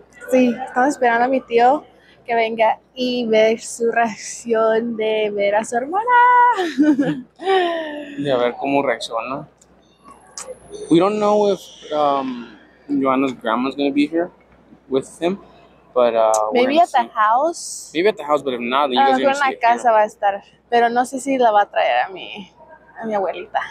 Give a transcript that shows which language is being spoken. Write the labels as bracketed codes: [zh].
[es] Sí, estamos esperando a mi tío que venga y ver su reacción de ver a su hermana. Y a ver cómo reacciona. [en] We don't know if Joanna's grandma's going to be here with him. But, maybe at the house. Maybe at the house, but if not, then you guys are going to see [es] casa [en] it [es] va a estar, pero no sé si la va a traer a mi abuelita.